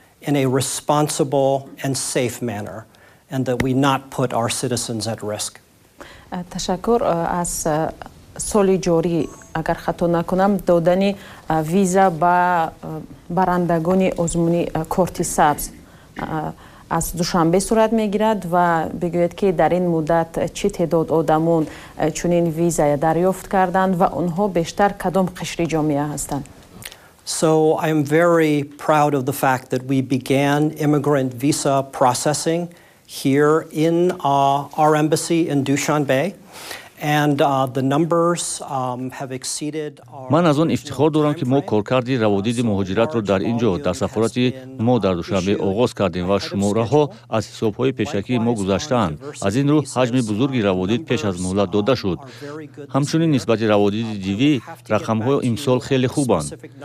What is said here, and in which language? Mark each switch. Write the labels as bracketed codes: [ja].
[en] In a responsible and safe manner, and that we not put our citizens at risk. [fa] تشکر از سال جاری اگر خطا نکنم دادن ویزا با برندگان آزمونی کارت سبز از دوشنبه صورت میگیرد و بگوید که در این مدت چه تعداد آدمون چنین ویزا دریافت کردند و آنها بیشتر کدام قشر جامعه هستند. [en] So I am very proud of the fact that we began immigrant visa processing here in our embassy in Dushanbe. And the numbers have exceeded our... [fa] من از آن افتخار دارم که ما کارکرد روادید مهاجرت را در اینجا در سفارت ما در دوشنبه آغاز کردیم و شماره ها از حساب های پیشکی ما گذشتند. از این رو حجم بزرگی روادید پیش از مهلت داده شد. همچنین نسبت روادید دیوی رقم های امسال خیلی خوبند.